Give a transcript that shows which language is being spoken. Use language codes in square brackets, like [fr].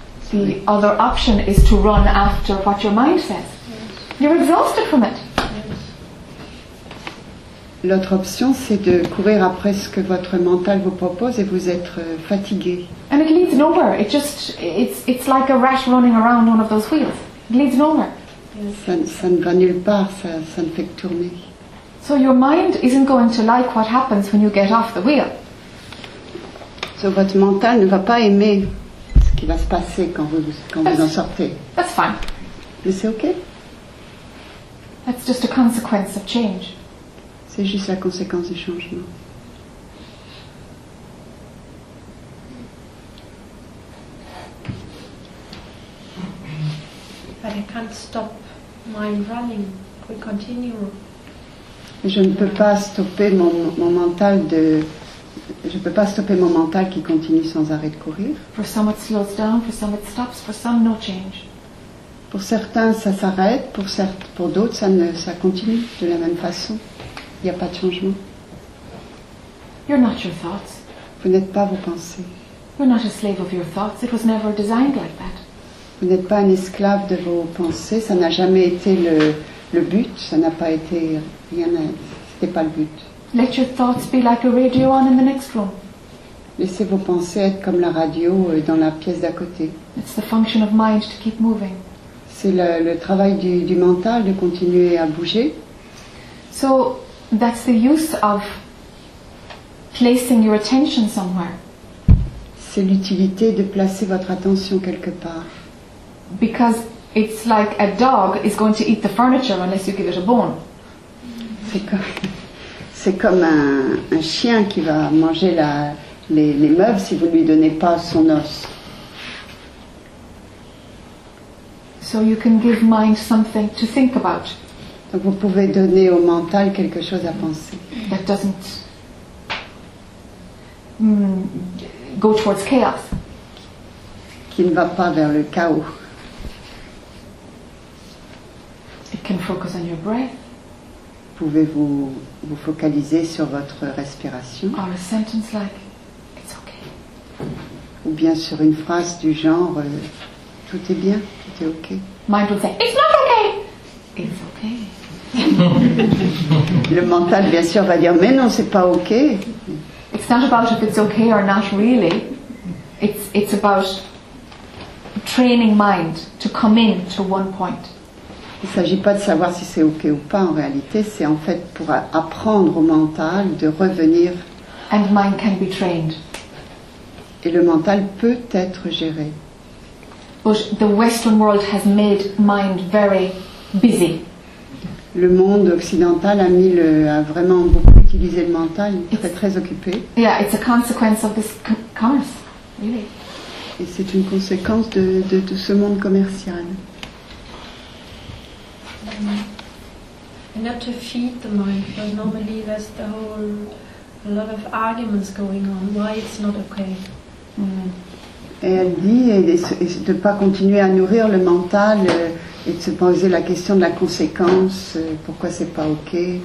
[en] The other option is to run after what your mind says. Yes. You're exhausted from it. [fr] L'autre option, c'est de courir après ce que votre mental vous propose et vous être fatigué. [en] And it leads nowhere. It just, it's like a rat running around one of those wheels. It leads nowhere. [fr] Yes. Ça ne va nulle part. Ça ne fait que tourner. [en] So your mind isn't going to like what happens when you get off the wheel. [fr] So votre mental ne va pas aimer. Qui va se passer quand vous en sortez. [en] That's fine. [fr] Mais c'est ok. [en] That's just a consequence of change. [fr] C'est juste la conséquence du changement. [en] But I can't stop mind running. We continue. [fr] Je ne peux pas stopper mon mental de. Je ne peux pas stopper mon mental qui continue sans arrêt de courir. [en] For some it slows down, for some it stops, for some no change. [fr] Pour certains ça s'arrête, pour d'autres ça continue de la même façon. Il n'y a pas de changement. [en] You're not your thoughts. [fr] Vous n'êtes pas vos pensées. [en] You're not a slave of your thoughts. It was never designed like that. [fr] Vous n'êtes pas un esclave de vos pensées. Ça n'a jamais été le but. Ça n'a pas été rien. C'était pas le but. [en] Let your thoughts be like a radio on in the next room. [fr] Laissez vos pensées être comme la radio dans la pièce d'à côté. [en] It's the function of mind to keep moving. [fr] C'est le travail du mental de continuer à bouger. [en] So that's the use of placing your attention somewhere. [fr] C'est l'utilité de placer votre attention quelque part. [en] Because it's like a dog is going to eat the furniture unless you give it a bone. [fr] C'est quoi? C'est comme un chien qui va manger les meubles si vous ne lui donnez pas son os. [en] So you can give mind something to think about. [fr] Donc vous pouvez donner au mental quelque chose à penser. [en] That doesn't go towards chaos. [fr] Qui ne va pas vers le chaos. [en] It can focus on your breath. [fr] Pouvez-vous vous focaliser sur votre respiration? [en] Or a sentence like, it's okay. [fr] Ou bien sur une phrase du genre, tout est bien, tout est ok. [en] Mind will say, it's not okay. It's okay. [fr] Le mental, bien sûr, va dire, mais non, c'est pas ok. [en] It's not about if it's okay or not really. It's about training mind to come in to one point. [fr] Il ne s'agit pas de savoir si c'est ok ou pas en réalité, c'est en fait pour apprendre au mental de revenir. [en] And mind can be trained. [fr] Et le mental peut être géré. [en] But the Western world has made mind very busy. [fr] Le monde occidental a vraiment beaucoup utilisé le mental, très très occupé. [en] Yeah, it's a consequence of this commerce, really. [fr] Et c'est une conséquence de tout ce monde commercial. [en] And not to feed the mind, but normally there's the whole a lot of arguments going on why it's not okay. [fr] Et elle dit et de pas continuer à nourrir le mental et de se poser la question de la conséquence, pourquoi c'est pas ok.